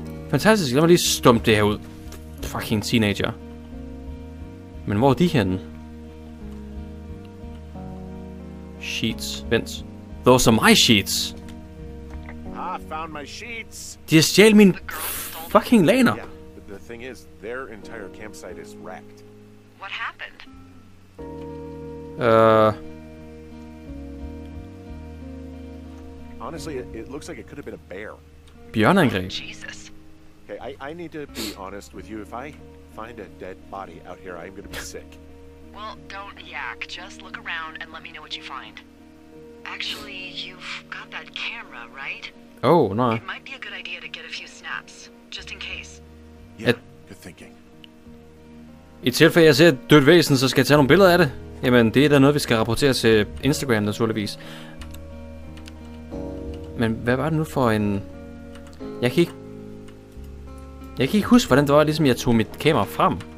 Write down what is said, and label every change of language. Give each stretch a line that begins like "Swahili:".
Danish: Fantastisk, lad mig lige stumpe det her ud. Fucking teenager. Men hvor er de henne?
English: Sheets.
Danish: Vent.
English: Those are my sheets! I found my sheets!
Danish: De har stjælt mine fucking laner!
English: Yeah, the thing is, their entire campsite is wrecked. What happened? Honestly, it looks like it could have been a bear.
Danish: Bjørnangreb.
English: Oh, Jesus. Okay, I need to be honest with you. If I find a dead body out here, I'm gonna be sick. Well, don't yak. Just look around and let me know what you find. Actually, you've got that camera, right? Oh, no. It might be a good idea to get a few snaps, just in case. Yeah, good thinking.
Danish: I tilfælde jeg ser et dødt væsen, så skal jeg tage nogle billeder af det. Jamen, det er da noget, vi skal rapportere til Instagram, naturligvis. Men hvad var det nu for en... Jeg kan ikke huske, hvordan det var, ligesom jeg tog mit kamera frem.